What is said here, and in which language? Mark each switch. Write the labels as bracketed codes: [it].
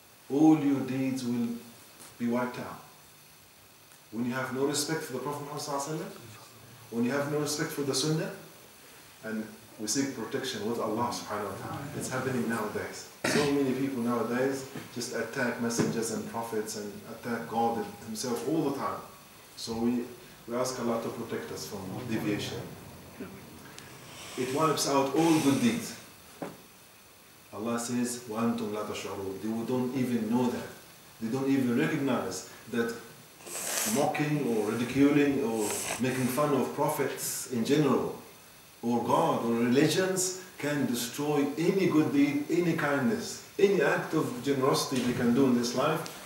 [en] All your deeds will be wiped out. When you have no respect for the Prophet Muhammad sallallahu alayhi wa sallam, when you have no respect for the Sunnah, and we seek protection with Allah subhanahu wa ta'ala. It's happening nowadays. So many people nowadays just attack messengers and prophets and attack God himself all the time. So we ask Allah to protect us from deviation. It wipes out all good deeds. Allah says, [ar] وَأَنْتُمْ لَا تَشْعُرُونَ. [en] They don't even know that. They don't even recognize that mocking or ridiculing or making fun of prophets in general or God or religions can destroy any good deed, any kindness, any act of generosity they can do in this life.